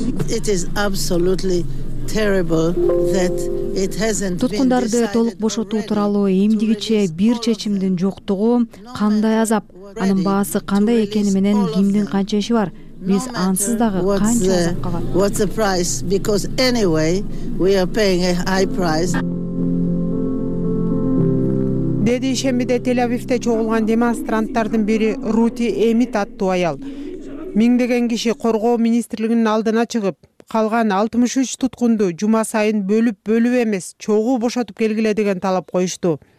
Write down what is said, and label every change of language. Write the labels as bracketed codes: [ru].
[en] It is absolutely terrible that it hasn't been. [ky] Туткундарды толук бошотуу тууралуу эмдигиче бир чечимдин жоктугу кандай азап, анын баасы кандай экени менен кимдин канча иши бар? Биз ансыз дагы канча азап кабат? [en] What's the price? Because anyway, we are paying a high price. [ky] Деди ишембиде Тель-Авивде чогулган демонстранттардын бири Рути Эмит аттуу аял. Миңдеген киши коргоо министрлигинин алдына чыгып, калган 63 туткунду жума сайын бөлүп-бөлүп эмес, чогуу бошотуп келгиле деген талап коюшту.